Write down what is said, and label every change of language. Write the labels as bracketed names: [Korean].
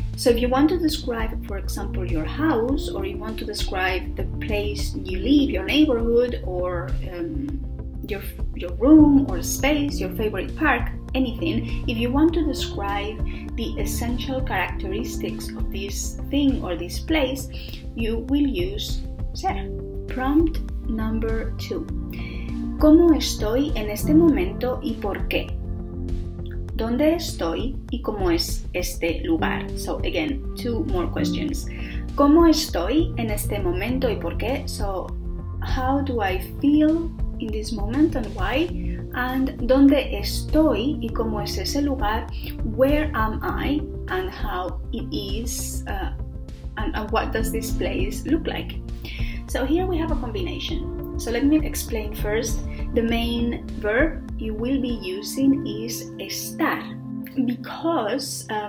[English] So if you want to describe, for example, your house, or you want to describe the place you live, your neighborhood, or your room or space, your favorite park, anything, if you want to describe the essential characteristics of this thing or this place, you will use SER. Prompt number 2. [Spanish] ¿Cómo estoy en este momento y por qué? ¿Dónde estoy y cómo es este lugar? [English] So again, 2 more questions. [Spanish] ¿Cómo estoy en este momento y por qué? [English] So how do I feel in this moment and why? [Spanish] And ¿dónde estoy y cómo es ese lugar? [English] Where am I and how it is and what does this place look like? So here we have a combination. So let me explain first. The main verb you will be using is estar, because